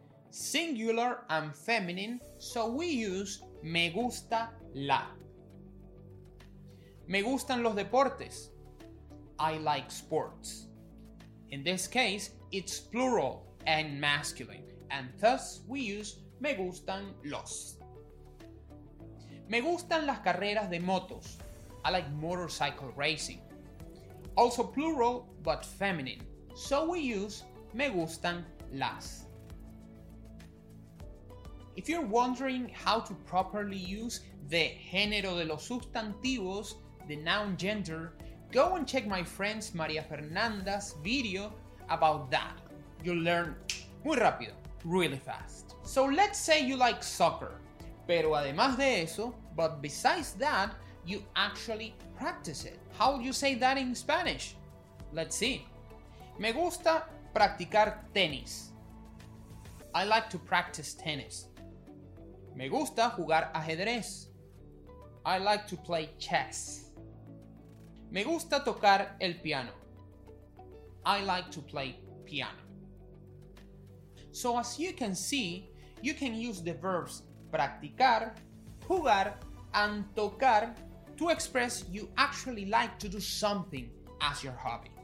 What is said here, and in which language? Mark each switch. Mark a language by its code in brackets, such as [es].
[en] Singular and feminine, so we use [es] me gusta la. Me gustan los deportes. [en] I like sports. In this case, it's plural and masculine, and thus we use [es] me gustan los. Me gustan las carreras de motos. [en] I like motorcycle racing. Also plural, but feminine, so we use [es] me gustan las. [en] If you're wondering how to properly use the [es] género de los sustantivos, [en] the noun gender, go and check my friend's Maria Fernanda's video about that. You'll learn [es] muy rápido, [en] really fast. So let's say you like soccer, [es] pero además de eso, [en] but besides that, you actually practice it. How would you say that in Spanish? Let's see. [es] Me gusta practicar tenis. [en] I like to practice tennis. [es] Me gusta jugar ajedrez. [en] I like to play chess. [es] Me gusta tocar el piano. [en] I like to play piano. So as you can see, you can use the verbs practicar, jugar, and tocar to express you actually like to do something as your hobby.